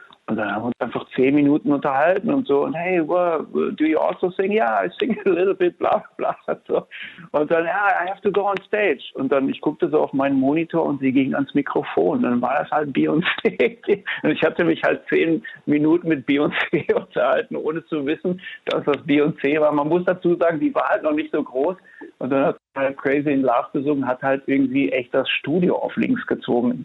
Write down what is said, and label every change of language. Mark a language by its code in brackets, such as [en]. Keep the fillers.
[de] Und dann haben wir uns einfach zehn Minuten unterhalten und so. Und [en] hey, well, do you also sing? Yeah, I sing a little bit, bla bla. So. [de] Und dann, [en] yeah, I have to go on stage. [de] Und dann, ich guckte so auf meinen Monitor und sie ging ans Mikrofon. Und dann war das halt Beyoncé. Und ich hatte mich halt zehn Minuten mit Beyoncé unterhalten, ohne zu wissen, dass das Beyoncé war. Man muss dazu sagen, die war halt noch nicht so groß. Und dann hat halt Crazy in Love gesungen, hat halt irgendwie echt das Studio auf links gezogen.